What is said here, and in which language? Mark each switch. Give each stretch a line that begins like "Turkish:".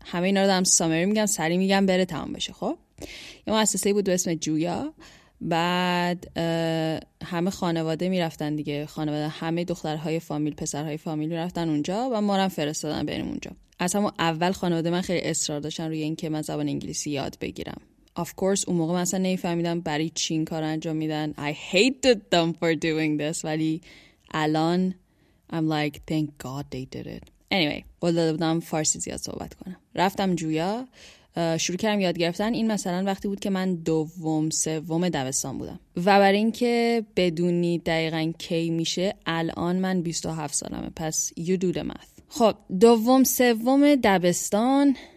Persian: همه اینا رو دارم سامری میگم، سری میگم بره تمام بشه. خب یه مؤسسه‌ای بود به اسم جویا، بعد همه خانواده میرفتن دیگه، خانواده همه دخترهای فامیل پسرهای فامیل میرفتن اونجا و ما هم فرستادن بریم اونجا. از همون اول خانواده من خیلی اصرار داشتن روی اینکه من زبان انگلیسی یاد بگیرم. Of course اون موقع من اصلا نفهمیدم برای چی این کار انجام میدن.
English: I hated them for doing this.
Persian: ولی الان
English: I'm like thank god they did it.
Persian: Anyway قول داده بودم فارسی زیاد صحبت کنم. رفتم جویا، شروع کردم یاد گرفتن. این مثلا وقتی بود که من دوم سوم دبستان بودم و برای این که بدونی دقیقاً کی میشه، الان من 27 سالمه، پس
English: you do the math.
Persian: خب دوم سوم دبستان